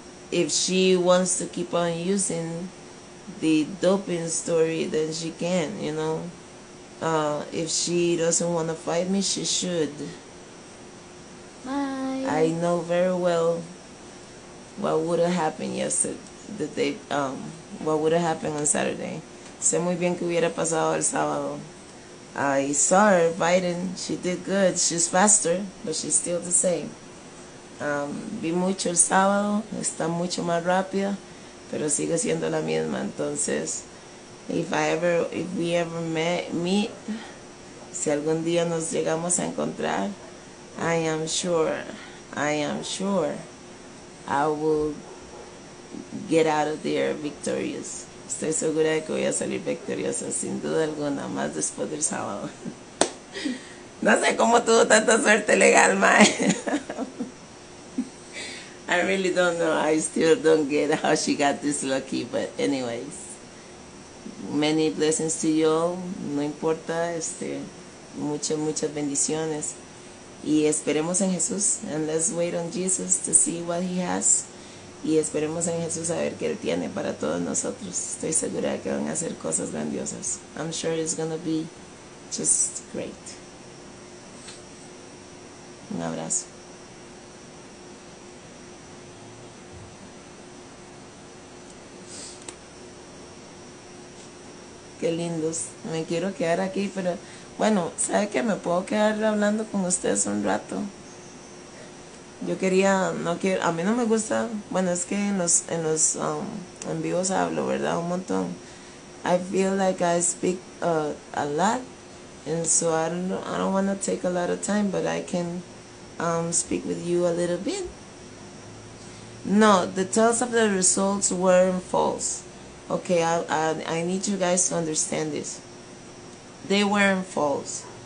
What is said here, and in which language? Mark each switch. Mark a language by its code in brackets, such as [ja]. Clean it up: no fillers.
[en] If she wants to keep on using the doping story, then she can, you know. If she doesn't want to fight me, she should. Bye. I know very well what would have happened yesterday, the day, what would have happened on Saturday. [es] Sé muy bien que hubiera pasado el sábado. [en] I saw her fighting. She did good. She's faster, but she's still the same. [es] Vi mucho el sábado. Está mucho más rápida, pero sigue siendo la misma. Entonces, [en] if we ever meet, [es] si algún día nos llegamos a encontrar, [en] I am sure, I will get out of there victorious. [es] Estoy segura de que voy a salir victoriosa, sin duda alguna, más después del sábado. No sé cómo tuvo tanta suerte legal, mae. [en] I really don't know. I still don't get how she got this lucky. But anyways, many blessings to you all. [es] No importa, muchas bendiciones. Y esperemos en Jesús. [en] And let's wait on Jesus to see what he has. [es] Y esperemos en Jesús a ver qué Él tiene para todos nosotros. Estoy segura de que van a hacer cosas grandiosas. [en] I'm sure it's gonna be just great. [es] Un abrazo. Qué lindos. Me quiero quedar aquí, pero... Bueno, ¿sabe qué? Me puedo quedar hablando con ustedes un rato. Yo quería, no quiero, a mí no me gusta, bueno, es que en los en vivos hablo, ¿verdad? Un montón. [en] I feel like I speak a lot, and so I don't want to take a lot of time, but I can speak with you a little bit. No, the tales of the results weren't false. Okay, I need you guys to understand this. They weren't false.